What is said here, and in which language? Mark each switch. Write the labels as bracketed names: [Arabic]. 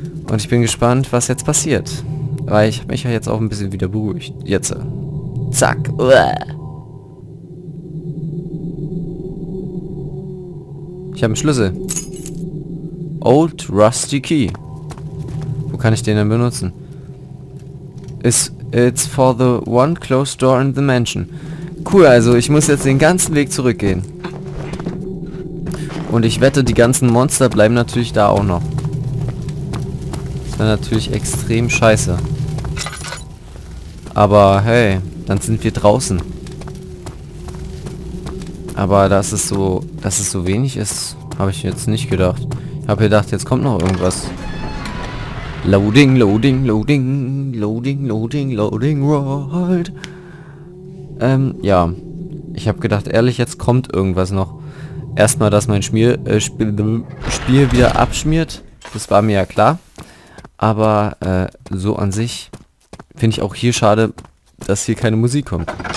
[German] Und ich bin gespannt, was jetzt passiert. Weil ich mich ja jetzt auch ein bisschen wieder beruhigt. Jetzt. Zack. Uah. Ich habe einen Schlüssel. Old Rusty Key. Wo kann ich den denn benutzen? [English] It's for the one closed door in the mansion. [German] Cool, also ich muss jetzt den ganzen Weg zurückgehen. Und ich wette, die ganzen Monster bleiben natürlich da auch noch. Das wäre natürlich extrem scheiße. Aber hey, dann sind wir draußen. Aber dass es so wenig ist, habe ich jetzt nicht gedacht. Ich habe gedacht, jetzt kommt noch irgendwas. [English] Loading, loading, loading, loading, loading, loading world. [German] Ja. Ich habe gedacht, ehrlich, jetzt kommt irgendwas noch. Erstmal, dass mein Spiel wieder abschmiert. Das war mir ja klar. Aber so an sich finde ich auch hier schade, dass hier keine Musik kommt.